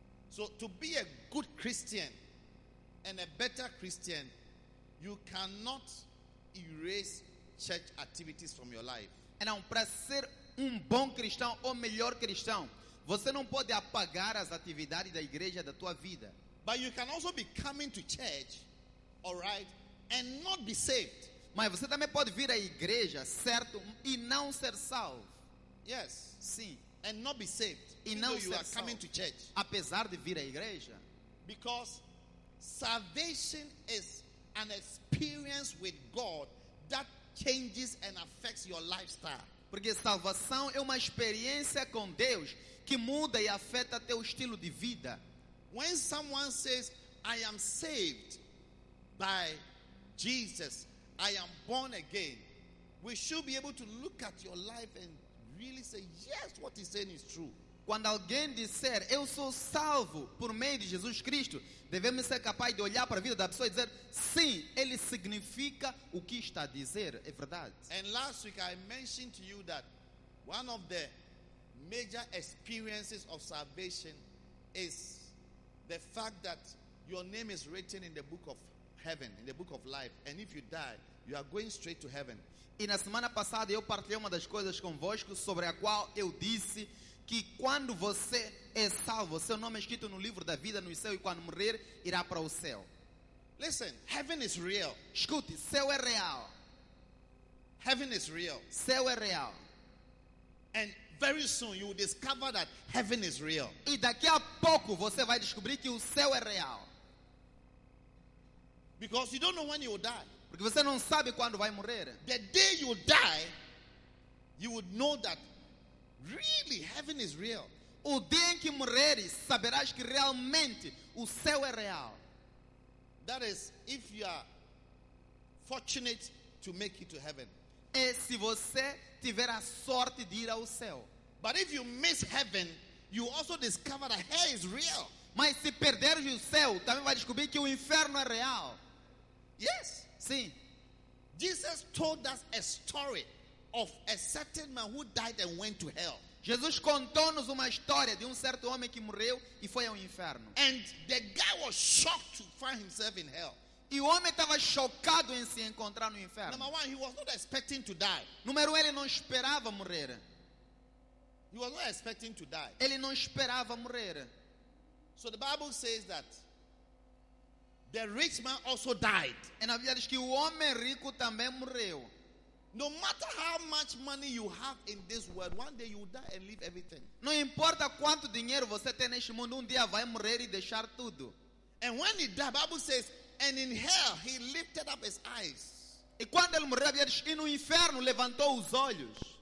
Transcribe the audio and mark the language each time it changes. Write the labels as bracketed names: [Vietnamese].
[English] So to be a good Christian and a better Christian, you cannot erase church activities from your life. [Portuguese] Então, para ser bom cristão ou melhor cristão, você não pode apagar as atividades da igreja da tua vida. [English] But you can also be coming to church, all right, and not be saved. [Portuguese] Mas você também pode vir à igreja, certo, e não ser salvo. [English] Yes. [Portuguese] Sim. [English] And not be saved. [Portuguese] E não ser salvo. [English] You are coming to church. [Portuguese] Apesar de vir à igreja. [English] Because salvation is an experience with God that changes and affects your lifestyle. [Portuguese] Porque salvação é uma experiência com Deus que muda e afeta teu estilo de vida. [English] When someone says, I am saved by Jesus, I am born again, we should be able to look at your life and really say, yes, what he's saying is true. [Portuguese] Quando alguém disser, eu sou salvo por meio de Jesus Cristo, devemos ser capazes de olhar para a vida da pessoa e dizer, sim, ele significa o que está a dizer, é verdade. [English] And last week I mentioned to you that one of the major experiences of salvation is the fact that your name is written in the book of heaven, in the book of life, and if you die, you are going straight to heaven. [Portuguese] E na semana passada eu partilhei uma das coisas convosco sobre a qual eu disse que quando você é salvo, seu nome é escrito no livro da vida no céu e quando morrer, irá para o céu. [English] Listen, heaven is real. [Portuguese] Escute, céu é real. [English] Heaven is real. [Portuguese] Céu é real. [English] And very soon you will discover that heaven is real. [Portuguese] E daqui a pouco você vai descobrir que o céu é real. [English] Because you don't know when you will die. [Portuguese] Porque você não sabe quando vai morrer. [English] The day you die, you would know that really heaven is real. [Portuguese] O dia em que morreres, saberás que realmente o céu é real. [English] That is if you are fortunate to make it to heaven. [Portuguese] É se você tiver a sorte de ir ao céu. [English] But if you miss heaven, you also discover that hell is real. [Portuguese] Mas se perderes o céu, também vai descobrir que o inferno é real. [English] Yes. [Portuguese] Sim. [English] Jesus told us a story of a certain man who died and went to hell. [Portuguese] Jesus contou-nos uma história de certo homem que morreu e foi ao inferno. [English] And the guy was shocked to find himself in hell. [Portuguese] E o homem estava chocado em se encontrar no inferno. [English] Number one, he was not expecting to die. [Portuguese] Número ele não esperava morrer. [English] He was not expecting to die. [Portuguese] Ele não esperava morrer. [English] So the Bible says that the rich man also died. [Portuguese] E na Bíblia diz que o homem rico também morreu. [English] No matter how much money you have in this world, one day you will die and leave everything. [Portuguese] Não importa quanto dinheiro você tem neste mundo, dia vai morrer e deixar tudo. [English] And when he died, the Bible says, and in hell he lifted up his eyes. [Portuguese] E quando ele morreu, ele disse, e no inferno levantou os olhos.